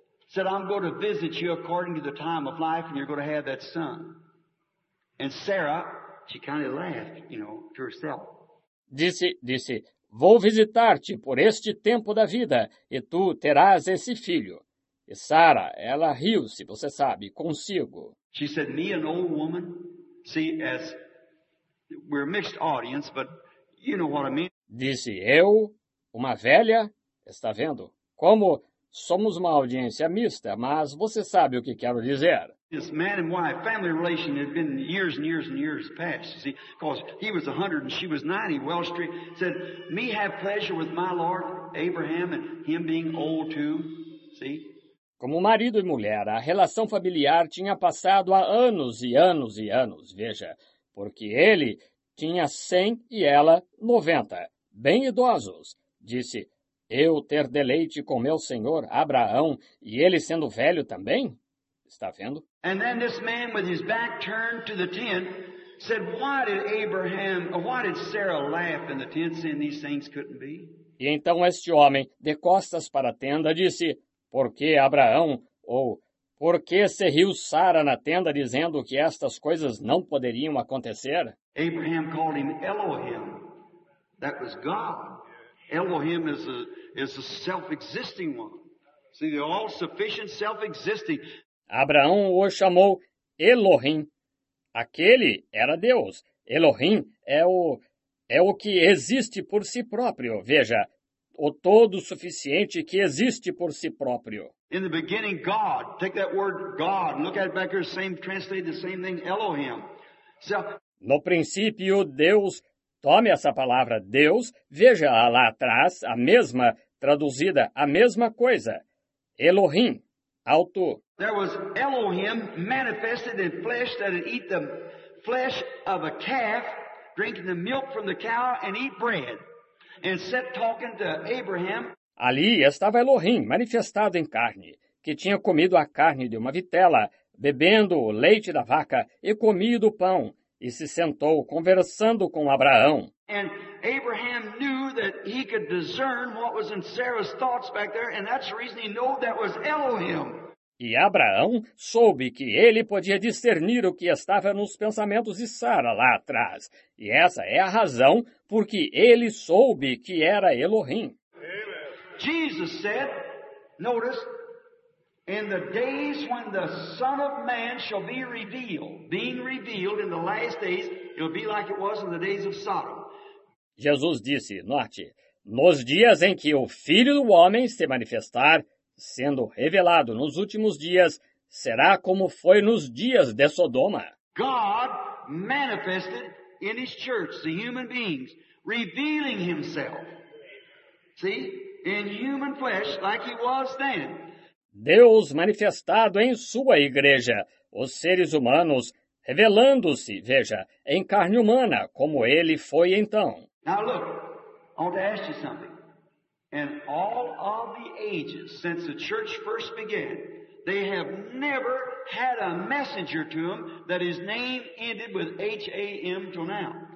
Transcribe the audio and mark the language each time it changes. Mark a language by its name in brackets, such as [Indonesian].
[English] Said, I'm going to visit you according to the time of life, and you're going to have that son. And Sarah, she kind of laughed, you know, to herself. [Portuguese] Disse, vou visitar-te por este tempo da vida, e tu terás esse filho. E Sara, ela riu-se, você sabe, consigo. [English] She said, me, an old woman, see, as we're a mixed audience, but you know what I mean. [Portuguese] Disse, eu, uma velha, está vendo? Como, Somos uma audiência mista, mas você sabe o que quero dizer. [English] This man and wife family relation had been years and years and years past, you see, because he was 100 and she was 90. Well Street said, me have pleasure with my Lord Abraham and him being old too, see? [Portuguese] Como marido e mulher, a relação familiar tinha passado há anos e anos e anos, veja, porque ele tinha 100 e ela 90, bem idosos. Disse, eu ter deleite com meu senhor Abraão e ele sendo velho também? Está vendo? [English] And then this man with his back turned to the tent said, why did Abraham, why did Sarah laugh in the tent saying these things couldn't be? [Portuguese] E então este homem, de costas para a tenda, disse, por que Abraão, ou por que se riu Sara na tenda dizendo que estas coisas não poderiam acontecer? [English] Abraham called him Elohim. That was God. Elohim is a self-existing one. See, the all-sufficient self-existing. [Portuguese] Abraão o chamou Elohim. Aquele era Deus. Elohim é o que existe por si próprio. Veja, o todo suficiente que existe por si próprio. [English] In the beginning, God. Take that word God. Look at it back here. Same translate the same thing. Elohim. [Portuguese] No princípio, Deus. Tome essa palavra Deus. Veja lá atrás, a mesma traduzida, a mesma coisa. Elohim. Alto. [English] There was Elohim manifested in flesh that would eat the flesh of a calf, drinking the milk from the cow and eat bread, and sat talking to Abraham. [Portuguese] Ali estava Elohim manifestado em carne, que tinha comido a carne de uma vitela, bebendo o leite da vaca e comido o pão, e se sentou conversando com Abraão. [English] And Abraham knew that he could discern what was in Sarah's thoughts back there, and that's the reason he knew that was Elohim. [Portuguese] E Abraão soube que ele podia discernir o que estava nos pensamentos de Sara lá atrás. E essa é a razão porque ele soube que era Elohim. [English] Jesus said, notice, in the days when the Son of Man shall be revealed, being revealed in the last days, it'll be like it was in the days of Sodom. [Portuguese] Jesus disse, note, nos dias em que o Filho do Homem se manifestar, sendo revelado nos últimos dias, será como foi nos dias de Sodoma. [English] God manifested in his church, the human beings, revealing himself. See? In human flesh, like he was then. [Portuguese] Deus manifestado em sua igreja, os seres humanos, revelando-se, veja, em carne humana, como ele foi então. [English] Now look, I want to ask you something. In all of the ages since the church first began, they have never had a messenger to them that his name ended with H-A-M till now.